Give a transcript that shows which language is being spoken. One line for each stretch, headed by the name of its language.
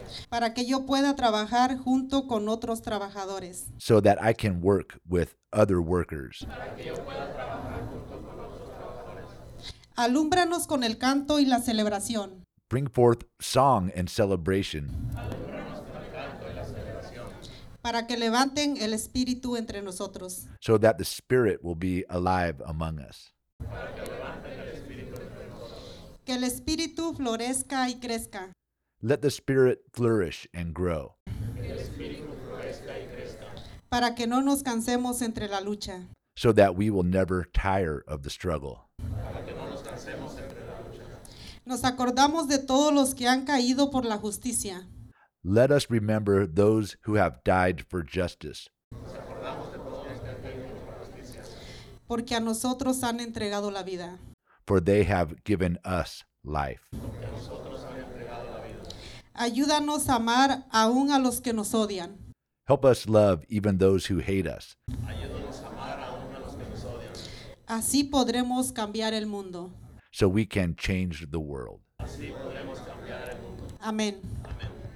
Spanish: Para que yo pueda trabajar junto con otros trabajadores.
English: So that I can work with other workers.
Spanish: Alúmbranos con el canto y la celebración.
English: Bring forth song and celebration.
Spanish: Para que levanten el espíritu entre nosotros.
English: So that the spirit will be alive among us.
Spanish: Que el espíritu florezca y crezca.
English: Let the spirit flourish and grow.
Spanish: Para que no nos cansemos entre la lucha.
English: So that we will never tire of the struggle.
Spanish: Nos acordamos de todos los que han caído por la justicia.
English: Let us remember those who have died for justice.
Spanish: Porque a nosotros han entregado la vida.
English: For they have given us life.
Spanish: Ayúdanos a amar aún a los que nos odian.
English: Help us love even those who hate us.
Spanish: Ayúdanos a amar aún a los que nos odian. Así podremos cambiar el mundo.
English: So we can change the world.
Spanish: Así podremos cambiar el mundo. Amén. Amén.